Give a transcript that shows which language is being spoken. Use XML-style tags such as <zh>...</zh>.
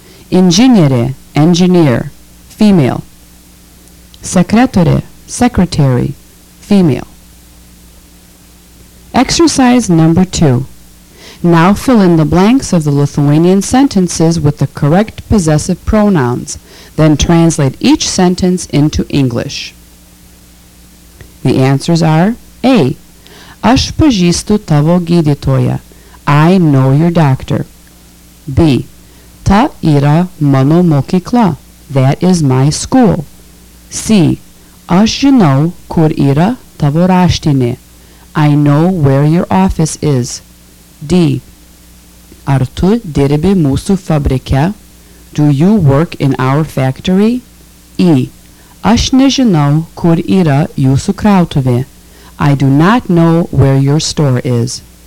<en>Ingeniere, engineer, female. Sekretore, secretary, female. Exercise number two. Now fill in the blanks of the Lithuanian sentences with the correct possessive pronouns, then translate each sentence into English. The answers are A.</en> <lt>Aš pažįstu tavo gydytoją.</lt> <en>I know your doctor. B.</en> <lt>Ta yra mano mokykla.</lt> <en>That is my school. C.</en> <lt>Aš žinau, kur yra tavo raštinė.</lt> <en>I know where your office is. D.</en> <lt>Ar tu dirbi mūsų fabrike?</lt> <en>Do you work in our factory? E.</en> <lt>Aš nežinau, kur yra jūsų krautuvė.</lt> <en>I do not know where your store is.</en>